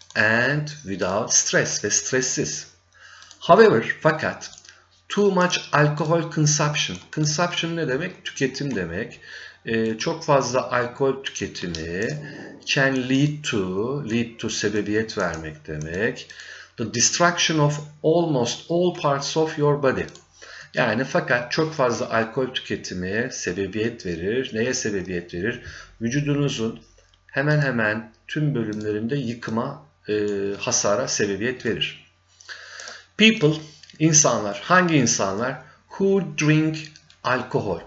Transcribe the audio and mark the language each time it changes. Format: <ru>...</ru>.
<en>And without stress</en> <tr>ve stressiz.</tr> <en>However,</en> <tr>fakat</tr> <en>too much alcohol consumption.</en> <tr>Consumption ne demek? Tüketim demek. Çok fazla alkol tüketimi</tr> <en>can lead to</en> <tr>sebebiyet vermek demek.</tr> <en>The destruction of almost all parts of your body.</en> <tr>Yani fakat çok fazla alkol tüketimi sebebiyet verir. Neye sebebiyet verir? Vücudunuzun hemen hemen tüm bölümlerinde yıkıma, hasara sebebiyet verir.</tr> <en>People,</en> <tr>insanlar, hangi insanlar?</tr> <en>Who drink alcohol?</en>